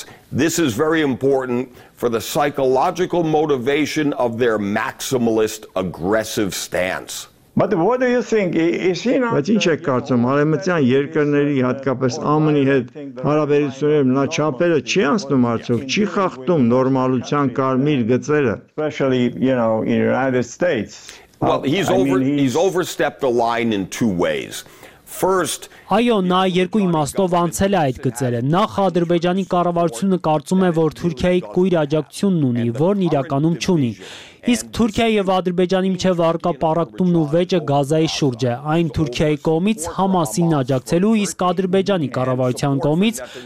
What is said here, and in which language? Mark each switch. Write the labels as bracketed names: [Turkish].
[English] This is very important for the psychological motivation of their maximalist aggressive stance. But what do you think? Is he not? [Armenian] Բայց ինչ եք կարծում, Արևմտյան երկրների հատկապես ԱՄՆ-ի հետ հարաբերությունները նա չափերը չի անցնում արդյոք, չի խախտում նորմալության կարմիր գծերը? [English] Especially, you know, in the United States. Well, he's overstepped the line in two ways. First, [Armenian] այո, նա երկու իմաստով անցել է այդ գծերը։ Նախ Ադրբեջանի կառավարությունը կարծում է, որ Թուրքիայի կույր աջակցությունն ունի, որն իրականում չունի։ Իսկ Թուրքիայի եւ Ադրբեջանի միջև առկա պարակտումն ու վեճը գազայի շուրջ է։ Այն Թուրքիայի կողմից Համասին աջակցելու, իսկ Ադրբեջանի կառավարության կողմից